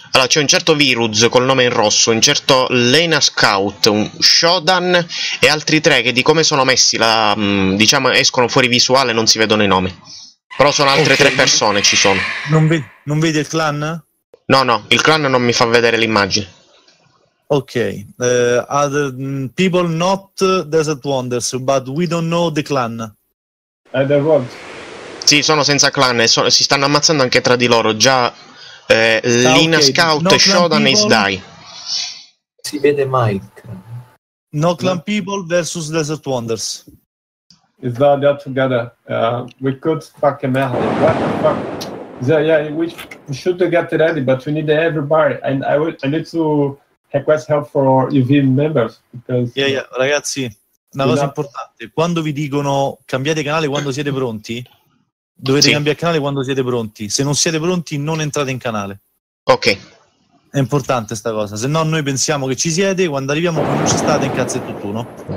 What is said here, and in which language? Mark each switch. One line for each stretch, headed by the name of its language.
Italian: Allora, c'è un certo Viruz col nome in rosso, un certo Lena Scout, un Shodan e altri tre che di come sono messi, diciamo, escono fuori visuale, non si vedono i nomi. Però sono altre tre persone, ci sono. Non vedi il clan? No, il clan non mi fa vedere l'immagine.
English: Ok, other people not Desert Wonders, but we don't know the clan.
Italian: Sì, sono senza clan e si stanno ammazzando anche tra di loro. Già Lina Scout e Shodan
English: is die.
Italian: Si vede Mike.
English: No clan people versus Desert Wonders. Is that together? We could fuck a man. What the fuck? So yeah, we should get ready, but we need everybody, and I need to request help for our EV members because. Yeah, yeah,
Italian: ragazzi, una cosa importante. Quando vi dicono cambiate canale quando siete pronti, dovete cambiare canale quando siete pronti. Se non siete pronti, non entrate in canale. Ok. È importante sta cosa, se no noi pensiamo che ci siete, quando arriviamo non ci state, incazza tutt'uno.